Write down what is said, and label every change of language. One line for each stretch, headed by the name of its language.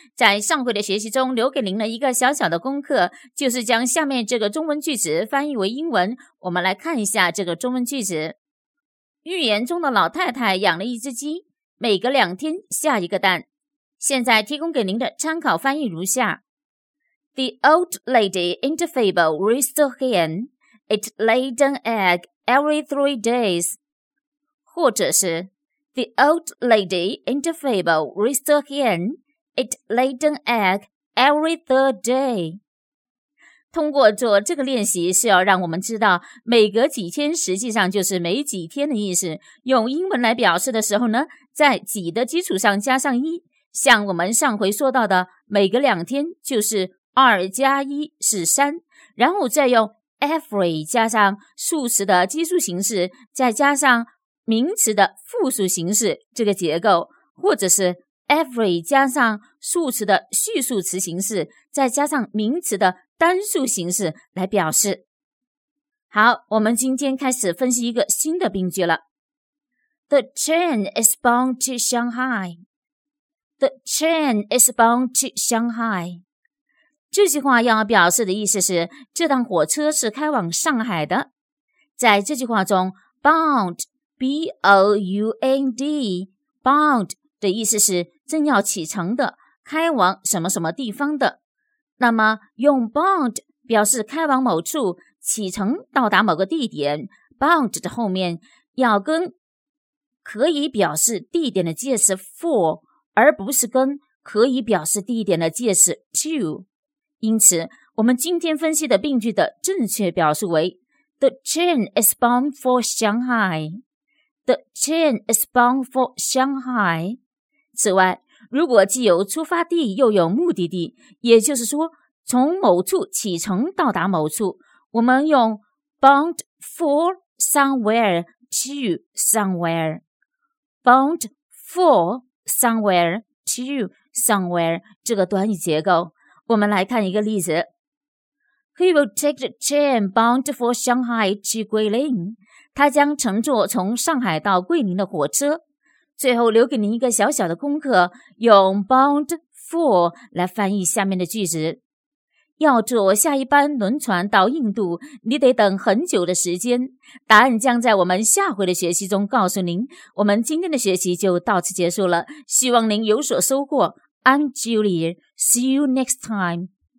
Chinese: 在上回的学习中，留给您了一个小小的功课，就是将下面这个中文句子翻译为英文。我们来看一下这个中文句子。寓言中的老太太养了一只鸡，每隔两天下一个蛋。现在提供给您的参考翻译如下。
English: The old lady in the fable raised a hen. It laid an egg every 3 days.
Chinese: 或者是
English: The old lady in the fable raised a hen. It laid an egg every 3 days.
Chinese: 通过做这个练习是要让我们知道每隔几天实际上就是每几天的意思。用英文来表示的时候呢，在几的基础上加上一，像我们上回说到的每隔两天就是二加一是三，然后再用 every 加上数词的基数形式，再加上名词的复数形式这个结构，或者是 every 加上数词的序数词形式，再加上名词的单数形式来表示。好，我们今天开始分析一个新的病句了。
English: The train is bound to Shanghai. The train is bound to Shanghai.
Chinese: 这句话要表示的意思是，这趟火车是开往上海的。在这句话中 boundB-O-U-N-D, bound 的意思是正要启程的，开往什么什么地方的。那么用 bound 表示开往某处，启程到达某个地点， bound 的后面要跟可以表示地点的介词 for, 而不是跟可以表示地点的介词 to。因此我们今天分析的病句的正确表述为
English: The train is bound for Shanghai. The train is bound for Shanghai.
Chinese: 此外，如果既有出发地又有目的地，也就是说从某处启程到达某处，我们用
English: bound for somewhere to somewhere. bound for somewhere to somewhere 这个短语结构。
Chinese: 我们来看一个例子。
English: He will take the train bound for Shanghai to Guilin.
Chinese: 他将乘坐从上海到桂林的火车。最后留给您一个小小的功课，用 bound for 来翻译下面的句子。要坐下一班轮船到印度，你得等很久的时间。答案将在我们下回的学习中告诉您。我们今天的学习就到此结束了，希望您有所收获。
English: I'm Julie, see you next time.